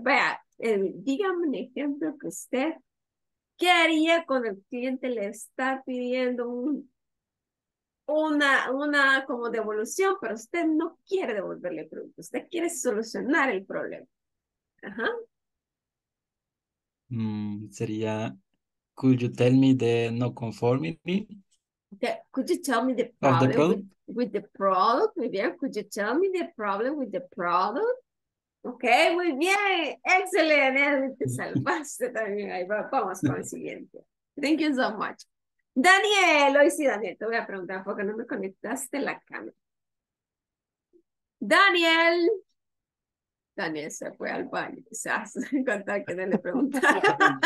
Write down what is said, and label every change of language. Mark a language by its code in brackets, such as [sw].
[es] Vaya, Edwin, dígame un ejemplo que usted, ¿qué haría cuando el cliente le está pidiendo una como devolución, pero usted no quiere devolverle el producto, usted quiere solucionar el problema? Ajá. [en] Sería, could you tell me the no conformity? Okay. Could you tell me the problem the with the product? [es] Muy bien, [en] could you tell me the problem with the product? [es] Okay, muy bien, excelente, te salvaste también, ahí va, vamos con el siguiente. [en] Thank you so much. [es] Daniel, hoy sí, Daniel, te voy a preguntar porque no me conectaste la cámara. Daniel. Daniel se fue al baño, quizás, contar que no le preguntara.